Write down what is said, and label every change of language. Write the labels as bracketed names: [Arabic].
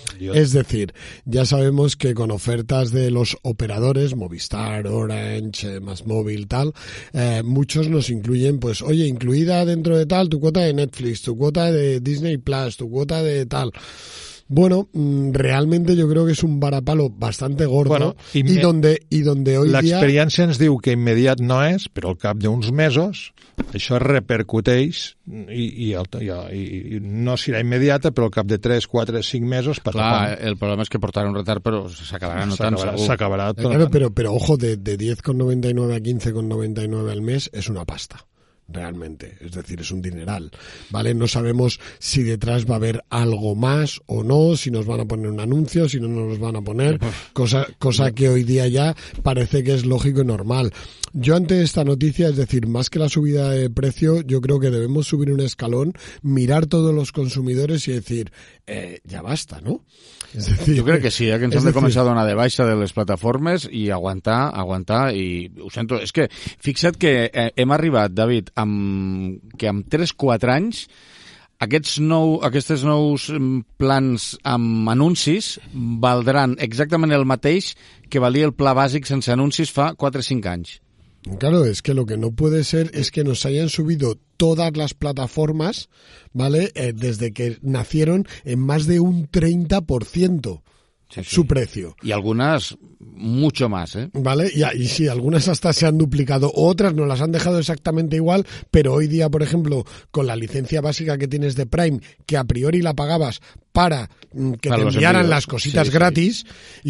[Spanish] Es decir, ya sabemos que con ofertas de los operadores, Movistar, Orange, MásMóvil, tal, muchos nos incluyen, pues, oye, incluida dentro de tal tu cuota de Netflix, tu cuota de Disney Plus, tu cuota de tal. Bueno, realmente yo creo que es un varapalo bastante gordo, bueno, y donde hoy día... [Catalan] L'experiència ens diu que immediat no és, però al cap d'uns mesos això repercuteix i no serà immediata, però al cap de 3, 4, 5 mesos... Clar, el problema és que portarà un retard, però s'acabarà notant segur. S'acabarà tot. Claro, però ojo, de 10,99 a 15,99 al mes és una pasta. [Spanish] Realmente, es decir, es un dineral, ¿vale? No sabemos si detrás va a haber algo más o no, si nos van a poner un anuncio, si no nos van a poner, cosa que hoy día ya parece que es lógico y normal. Yo ante esta noticia, es decir, más que la subida de precio, yo creo que debemos subir un escalón, mirar todos los consumidores y decir, ya basta, ¿no? Es decir, yo creo que sí, que [Catalan] ens han començat a donar de baixa de les plataformes i aguantar, i ho sento, és que fixa't que hem arribat, David, amb 3-4 anys, aquests nous plans amb anuncis valdran exactament el mateix que valia el pla bàsic sense anuncis fa 4-5 anys. [Spanish] Claro, es que lo que no puede ser es que nos hayan subido todas las plataformas, ¿vale? Desde que nacieron en más de un 30%. Sí, su sí. precio. Y algunas mucho más, ¿eh? Vale, y sí, algunas hasta se han duplicado, otras no las han dejado exactamente igual, pero hoy día, por ejemplo, con la licencia básica que tienes de Prime, que a priori la pagabas para que para te enviaran envíos. Las cositas sí, gratis, sí.